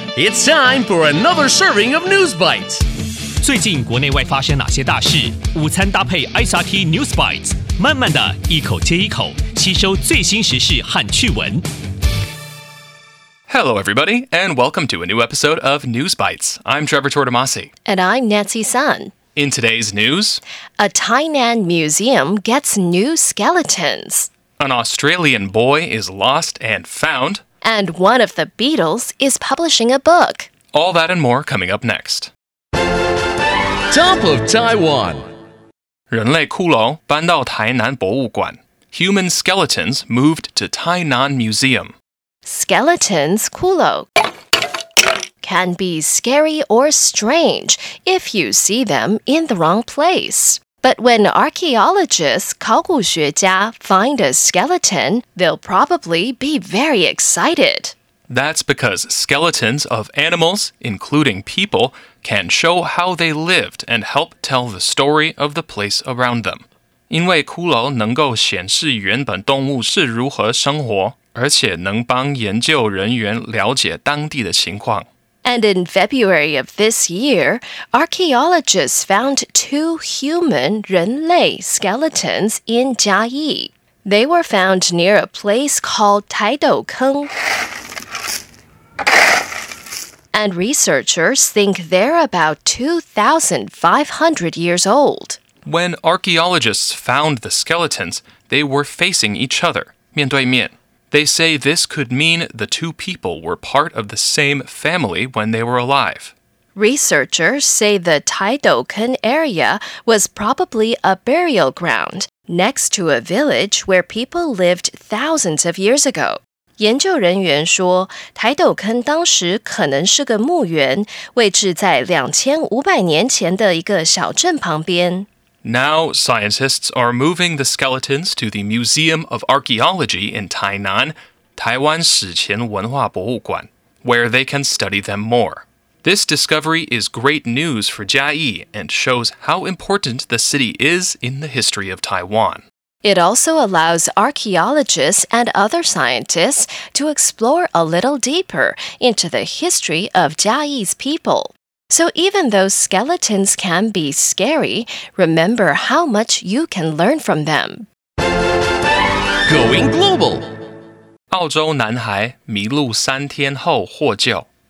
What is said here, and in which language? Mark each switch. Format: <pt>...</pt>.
<en>It's time for another serving of News Bites.</en> <zh>最近国内外发生哪些大事？午餐搭配 SRT News Bites， 慢慢的一口接一口，吸收最新时事和趣闻。</zh> <en>Hello, everybody, and welcome to a new episode of News Bites. I'm Trevor Tortomasi. And I'm Nancy Sun. In today's news, a Tainan museum gets new skeletons. An Australian boy is lost and found. And one of the Beatles is publishing a book. All that and more coming up next. Top of Taiwan.</en> <zh>人类骷髅搬到台南博物馆。</zh> <en>Human skeletons moved to Tainan Museum. Skeletons, 骷髅, can be scary or strange if you see them in the wrong place. But when archaeologists, 考古学家, find a skeleton, they'll probably be very excited. That's because skeletons of animals, including people, can show how they lived and help tell the story of the place around them.</en> <zh>因为骷髅能够显示原本动物是如何生活。而且能帮研究人员了解当地的情况。</zh> <en>And in February of this year, archaeologists found two human 人类 skeletons in 嘉义. They were found near a place called 台斗坑. And researchers think they're about 2,500 years old. When archaeologists found the skeletons, they were facing each other, 面对面。 They say this could mean the two people were part of the same family when they were alive. Researchers say the Taidoukun area was probably a burial ground next to a village where people lived thousands of years ago.</en> <zh>研究人员说，台斗坑当时可能是个墓园，位置在2500年前的一个小镇旁边。</zh> <en>Now, scientists are moving the skeletons to the Museum of Archaeology in Tainan,</en> <zh>台湾史前文化博物馆,</zh> <en>where they can study them more. This discovery is great news for嘉义and shows how important the city is in the history of Taiwan. It also allows archaeologists and other scientists to explore a little deeper into the history of 嘉义's people. So even though skeletons can be scary, remember how much you can learn from them. Going global!</en> <zh>澳洲男孩迷路三天后获救。</zh>